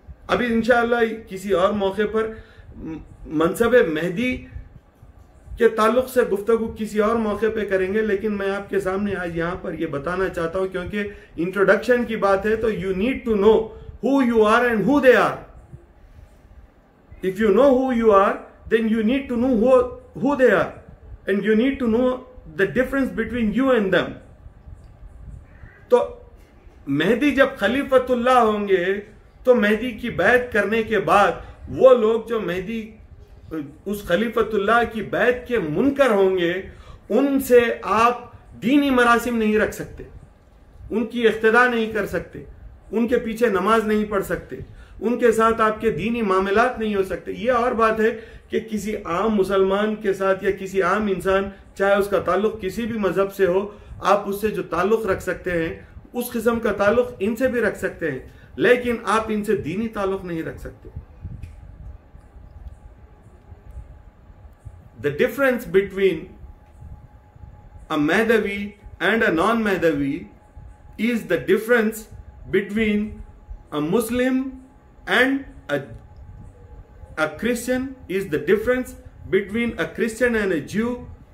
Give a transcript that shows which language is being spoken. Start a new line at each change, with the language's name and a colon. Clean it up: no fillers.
Hindi: अभी इंशाअल्लाह किसी और मौके पर मनसब मेहदी के ताल्लुक से गुफ्तगु किसी और मौके पे करेंगे, लेकिन मैं आपके सामने आज यहां पर यह बताना चाहता हूं क्योंकि इंट्रोडक्शन की बात है, तो
English: You need to know who you are and who they are. If you know who you are, then you need to know who they are and you need to know the difference between you and them.
Hindi: To mehdi jab khalifatullah honge to mehdi ki bayat karne ke baad wo log jo mehdi us khalifatullah ki bayat ke munkar honge unse aap deeni marasim nahi rakh sakte, unki iqtida nahi kar sakte, उनके पीछे नमाज नहीं पढ़ सकते, उनके साथ आपके दीनी मामलात नहीं हो सकते। यह और बात है कि किसी आम मुसलमान के साथ या किसी आम इंसान, चाहे उसका ताल्लुक किसी भी मजहब से हो, आप उससे जो ताल्लुक रख सकते हैं उस किस्म का ताल्लुक इनसे भी रख सकते हैं, लेकिन आप इनसे दीनी ताल्लुक नहीं रख सकते।
English: The difference between a Mahdavi and a non Mahdavi is the difference between a Muslim and a Christian is the difference between a Christian and a Jew.